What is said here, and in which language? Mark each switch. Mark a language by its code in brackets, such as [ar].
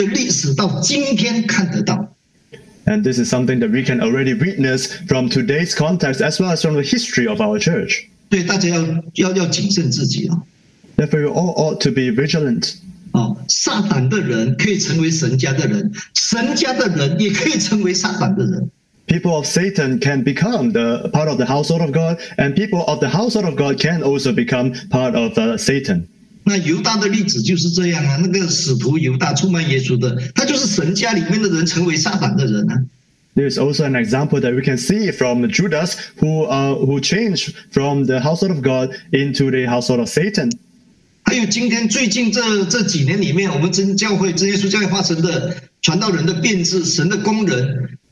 [zh] 这件事情我们从圣经上可以看到，也可以从我们教会的历史到今天看得到。 [en] And this is something that we can already witness from today's context as well as from the history of our church. [zh] 对，大家要谨慎自己哦。 [en] Therefore, you all ought to be vigilant. [zh] 哦，撒旦的人可以成为神家的人，神家的人也可以成为撒旦的人。 [en] People of Satan can become the part of the household of God, and people of the household of God can also become part of Satan. [zh] 那犹大的例子就是这样啊，那个使徒犹大出卖耶稣的，他就是神家里面的人成为撒旦的人啊。 [en] There is also an example that we can see from Judas, who changed from the household of God into the household of Satan. [zh] 还有今天最近这几年里面，我们真教会、真耶稣教会化成的传道人的变质，神的工人。